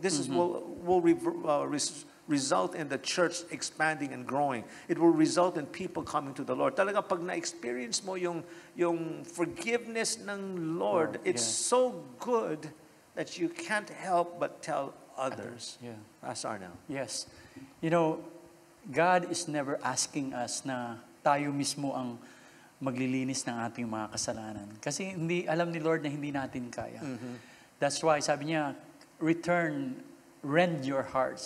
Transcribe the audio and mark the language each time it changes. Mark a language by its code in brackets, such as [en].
[en] This is will result in the church expanding and growing. It will result in people coming to the Lord. [tl] Talaga pag na-experience mo yung forgiveness ng Lord, [en] it's so good that you can't help but tell others. Asar now. Yes. You know, God is never asking us [tl] na tayo mismo ang maglilinis ng ating mga kasalanan. Kasi hindi alam ni Lord na hindi natin kaya. [en] That's why [tl] sabi niya, [en] return, rend your heart.